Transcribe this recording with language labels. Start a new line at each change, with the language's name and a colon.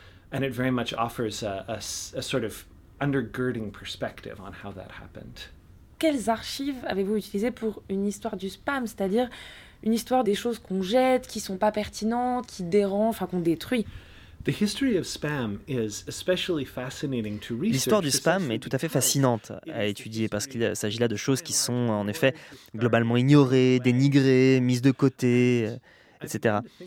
English: And it very much offers a sort of undergirding perspective on how that happened.
French: Quelles archives avez-vous utilisées pour une histoire du spam, c'est-à-dire une histoire des choses qu'on jette, qui sont pas pertinentes, qui dérangent, enfin qu'on détruit?
English: The history of spam is especially fascinating to research.
French: L'histoire du spam est tout à fait fascinante à étudier parce qu'il s'agit là de choses qui sont en effet globalement ignorées, dénigrées, mises de côté, etc.